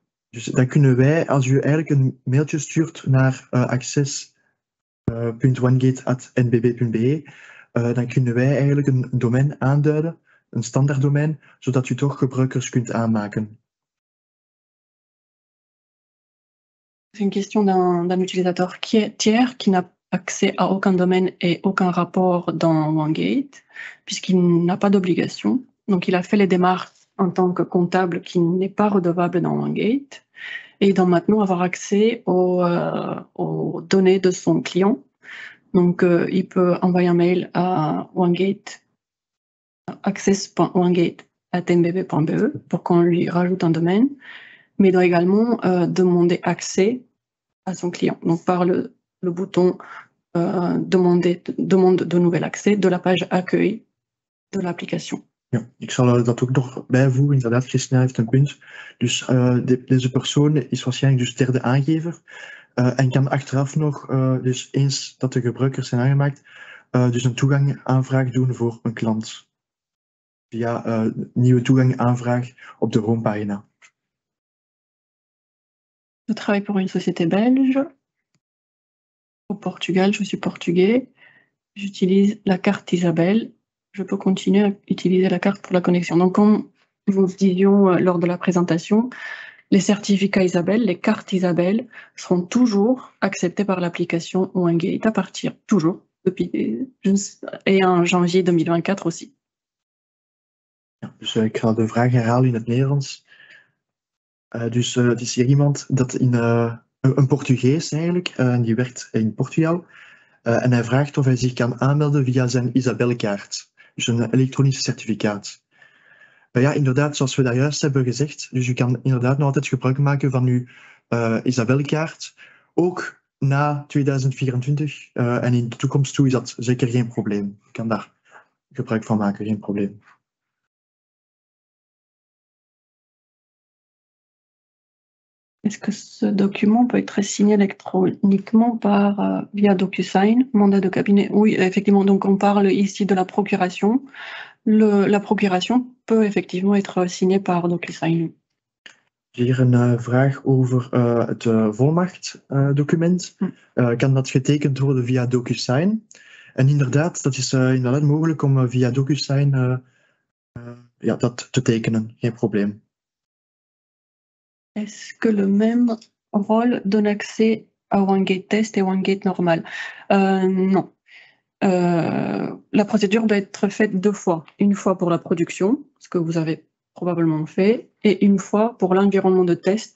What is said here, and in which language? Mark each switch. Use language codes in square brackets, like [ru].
[nl] Dus dan kunnen wij, als u eigenlijk een mailtje stuurt naar access.onegate@nbb.be, dan kunnen wij eigenlijk een domein aanduiden, een standaard domein, zodat u toch gebruikers kunt aanmaken. [fr] C'est une question d'un utilisateur qui est tiers, qui n'a accès à aucun domaine et aucun rapport dans OneGate, puisqu'il n'a pas d'obligation. Donc, il a fait les démarches en tant que comptable qui n'est pas redevable dans OneGate. Et il doit maintenant avoir accès aux données de son client. Donc, il peut envoyer un mail à access.onegate@nbb.be pour qu'on lui rajoute un domaine. Mais il doit également demander accès à son client. Donc, par le bouton demande de nouvel accès de la page accueil de l'application. [nl] Ja, ik zal dat ook nog bijvoegen. Inderdaad, Christina heeft een punt. Dus deze persoon is waarschijnlijk dus derde aangever en kan achteraf nog, dus eens dat de gebruikers zijn aangemaakt, dus een toegangaanvraag doen voor een klant. Via nieuwe toegangaanvraag op de homepagina. [fr] Je travaille pour une société belge. Au Portugal, je suis portugais. J'utilise la carte Isabelle. Je peux continuer à utiliser la carte pour la connexion. Donc, comme nous disions lors de la présentation, les certificats Isabelle, les cartes Isabelle, seront toujours acceptés par l'application OneGate à partir toujours depuis et en janvier 2024 aussi. [nl] Dus ik ga de vraag herhalen in het Nederlands. Het is hier iemand dat een Portugees eigenlijk, die werkt in Portugal. En hij vraagt of hij zich kan aanmelden via zijn Isabelle-kaart. Dus een elektronisch certificaat. Ja, inderdaad, zoals we daar juist hebben gezegd. Dus u kan inderdaad nog altijd gebruik maken van uw Isabelle-kaart. Ook na 2024. En in de toekomst toe is dat zeker geen probleem. U kan daar gebruik van maken, geen probleem. [fr] Est-ce que ce document peut être signé électroniquement via DocuSign, mandat de cabinet? Oui, effectivement. Donc, on parle ici de la procuration. La procuration peut effectivement être signée par DocuSign. [nl] Hier een vraag over het volmachtdocument. Kan dat getekend worden via DocuSign? En inderdaad, dat is inderdaad mogelijk om via DocuSign dat te tekenen. Geen probleem. [fr] Est-ce que le même rôle donne accès à OneGate Test et OneGate Normal? Non. La procédure doit être faite deux fois. Une fois pour la production, ce que vous avez probablement fait, et une fois pour l'environnement de test.